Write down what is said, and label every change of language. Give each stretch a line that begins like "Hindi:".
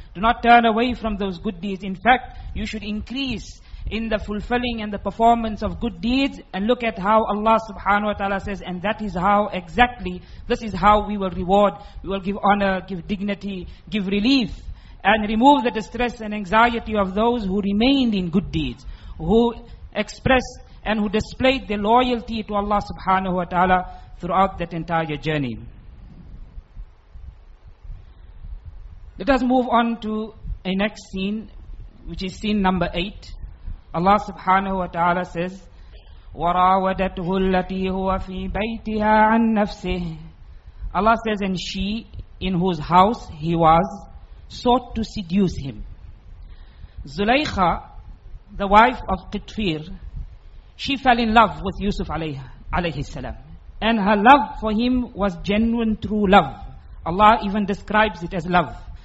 English: Do not turn away from those good deeds. In fact, you should increase in the fulfilling and the performance of good deeds, and look at how Allah subhanahu wa ta'ala says, and that is how exactly, this is how we will reward, we will give honor, give dignity, give relief, and remove the distress and anxiety of those who remained in good deeds, who expressed and who displayed their loyalty to Allah subhanahu wa ta'ala throughout that entire journey. Let us move on to a next scene, which is scene number 8. Allah subhanahu wa ta'ala says,
Arabic: وَرَاوَدَتْهُ الَّتِي هُوَ فِي بَيْتِهَا عَن نَفْسِهِ.
English: Allah says, and she in whose house he was sought to seduce him. Zulaykha, the wife of Qitfir, she fell in love with Yusuf alayhi salam. And her love for him was genuine, true love. Allah even describes it as love.